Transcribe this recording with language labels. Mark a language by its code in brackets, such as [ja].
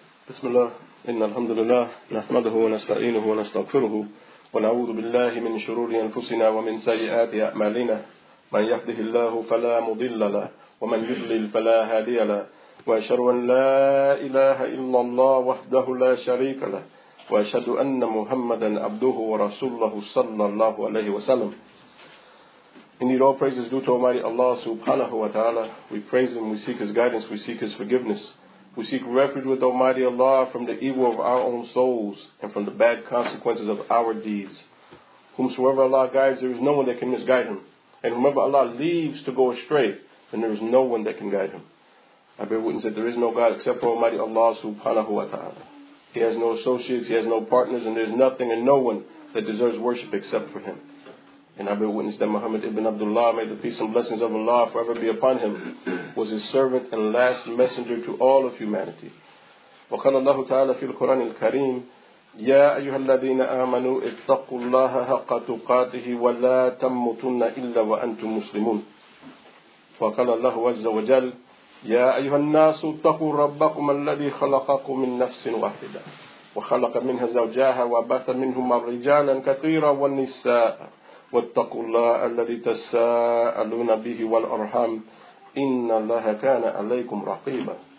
[ar] بسم الله إن الحمد لله نحمده ونستعينه ونستغفره ونعوذ بالله من شرور أنفسنا ومن سيئات أعمالنا من يهده الله فلا مضل له ومن يضلل فلا هادي له وأشهد أن لا إله إلا الله وحده لا شريك له وأشهد أن محمدا عبده ورسوله صلى الله عليه وسلم. [en] Indeed, all praises due to Almighty Allah subhanahu wa ta'ala. We praise Him, we seek His guidance, we seek His forgiveness. We seek refuge with Almighty Allah from the evil of our own souls and from the bad consequences of our deeds. Whomsoever Allah guides, there is no one that can misguide him. And whomever Allah leaves to go astray, then there is no one that can guide him. I bear witness that there is no God except for Almighty Allah subhanahu wa ta'ala. He has no associates, he has no partners, and there is nothing and no one that deserves worship except for him. And I bear witness that Muhammad ibn Abdullah, may the peace and blessings of Allah forever be upon him, was his servant and last messenger to all of humanity. [ar] وَقَالَ اللَّهُ تَعَالَى فِي الْقُرَانِ الْكَرِيمِ يَا أَيُّهَا الَّذِينَ آمَنُوا اتَّقُوا اللَّهَ حَقَّ تُقَاتِهِ وَلَا تَمُّتُنَّ إِلَّا وَأَنْتُمْ مُسْلِمُونَ وَقَالَ اللَّهُ عَزَّ وَجَلْ يَا أَيُّهَا النَّاسُ اتَّقُوا رَبَّكُمَ الَّذِي خَلَقَكُم مِّن نَّفْسٍ وَاحِدَةٍ وَخَلَقَ مِنْهَا زَوْجَهَا وَبَثَّ مِنْهُمَا رِجَالًا كَثِيرًا وَنِسَاءً واتقوا الله الذي تساءلون به والأرحام إن الله كان عليكم رقيبا